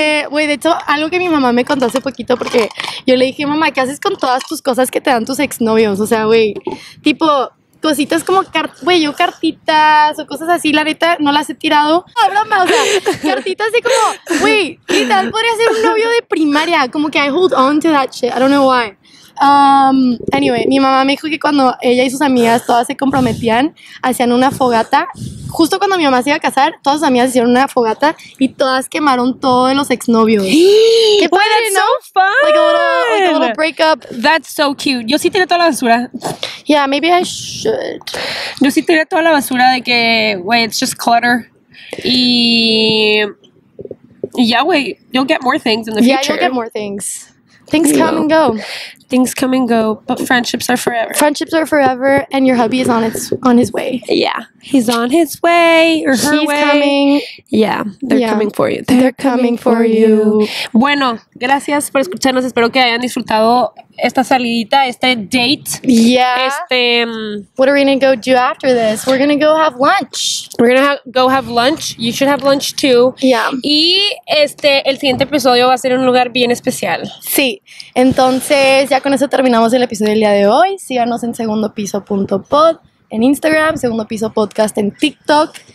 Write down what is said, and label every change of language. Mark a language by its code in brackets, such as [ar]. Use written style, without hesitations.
[es] Güey, de hecho, algo que mi mamá me contó hace poquito, porque yo le dije, mamá, ¿qué haces con todas tus cosas que te dan tus exnovios? O sea, güey, tipo, cositas como, güey, yo cartitas o cosas así, la neta, no las he tirado. No, broma, o sea, cartitas así como, güey, ¿qué tal podría ser un novio de primaria? Como que [en] I hold on to that shit, I don't know why. [es] Anyway, mi mamá me dijo que cuando ella y sus amigas todas se comprometían, hacían una fogata. Justo cuando mi mamá se iba a casar, todas sus amigas hicieron una fogata y todas quemaron todos los exnovios. ¡Qué padre! [en] ¡That's [es] ¿no? [en] so fun! Like a little breakup. That's so cute. [es] Yo sí tiré toda la basura. [en] Yeah, maybe I should. [es] Yo sí tiré toda la basura de que, güey, [en] it's just clutter. [es] Y ya, güey, [en] you'll get more things in the future. Yeah, you'll get more things. Things come and go. Things come and go, but friendships are forever. Friendships are forever, and your hubby is on his way. Yeah, he's on his way or her She's way. He's coming. Yeah, they're yeah. coming for you. They're coming for you. [es] Bueno, gracias por escucharnos. Espero que hayan disfrutado esta salidita, este date. [en] Yeah. What are we gonna go do after this? We're gonna go have lunch. We're gonna go have lunch. You should have lunch too. Yeah. [es] Y el siguiente episodio va a ser un lugar bien especial. Sí. Entonces, ya con eso terminamos el episodio del día de hoy. Síganos en segundopiso.pod en Instagram, segundo piso podcast en TikTok.